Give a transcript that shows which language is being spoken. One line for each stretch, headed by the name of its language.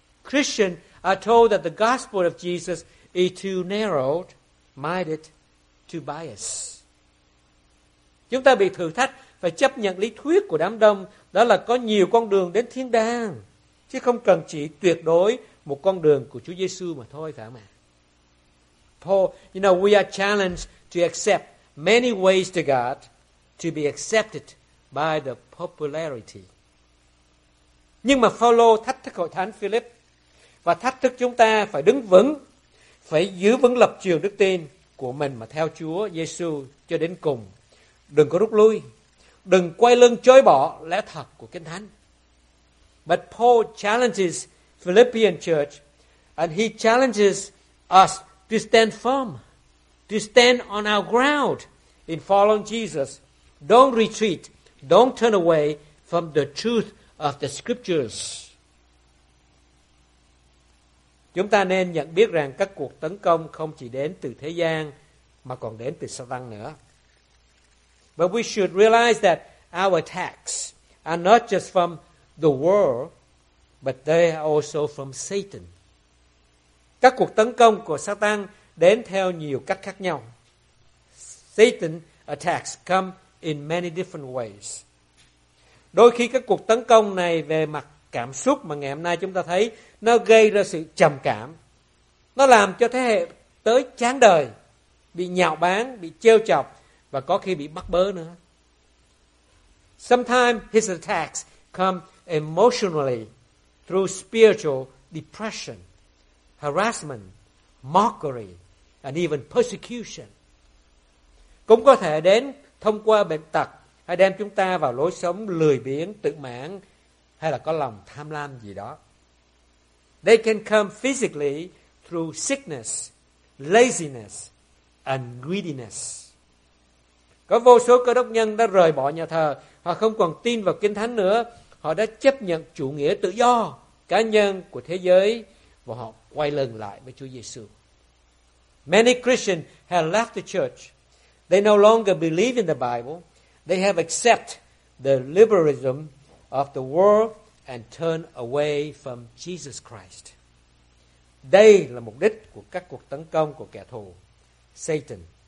English: Christians are told that the gospel of Jesus is too narrow minded, too biased.
Vietnamese: Chúng ta bị thử thách phải chấp nhận lý thuyết của đám đông, đó là có nhiều con đường đến thiên đàng, chứ không cần chỉ tuyệt đối một con đường của Chúa Giêsu mà thôi, phải không ạ?
English: Paul, you know, we are challenged to accept many ways to God to be accepted by the popularity.
Vietnamese: Nhưng mà Phaolô thách thức hội thánh Philip và thách thức chúng ta phải đứng vững, phải giữ vững lập trường đức tin của mình mà theo Chúa Giêsu cho đến cùng. Đừng có rút lui, đừng quay lưng chối bỏ lẽ thật của Kinh Thánh.
English: But Paul challenges Philippian church and he challenges us to stand firm, to stand on our ground in following Jesus. Don't retreat, don't turn away from the truth of the scriptures.
Vietnamese: Chúng ta nên nhận biết rằng các cuộc tấn công không chỉ đến từ thế gian mà còn đến từ Satan nữa.
English: But we should realize that our attacks are not just from the world, but they are also from Satan.
Vietnamese: Các cuộc tấn công của Satan đến theo nhiều cách khác nhau.
English: Satan attacks come in many different ways.
Vietnamese: Đôi khi các cuộc tấn công này về mặt cảm xúc mà ngày hôm nay chúng ta thấy nó gây ra sự trầm cảm. Nó làm cho thế hệ tới chán đời, bị nhạo báng, bị trêu chọc và có khi bị bắt bớ nữa.
English: Sometimes his attacks come emotionally through spiritual depression, harassment, mockery, and even persecution.
Vietnamese: Cũng có thể đến thông qua bệnh tật hay đem chúng ta vào lối sống lười biếng, tự mãn hay là có lòng tham lam gì đó.
English: They can come physically through sickness, laziness, and greediness.
Vietnamese: Có vô số cơ đốc nhân đã rời bỏ nhà thờ, họ không còn tin vào Kinh Thánh nữa, họ đã chấp nhận chủ nghĩa tự do cá nhân của thế giới và họ quay lưng lại với Chúa Giêsu.
English: Many Christians have left the church. They no longer believe in the Bible. They have accepted the liberalism of the world and turned away from Jesus Christ.
Vietnamese: Đây là mục đích của các cuộc tấn công của kẻ thù Satan.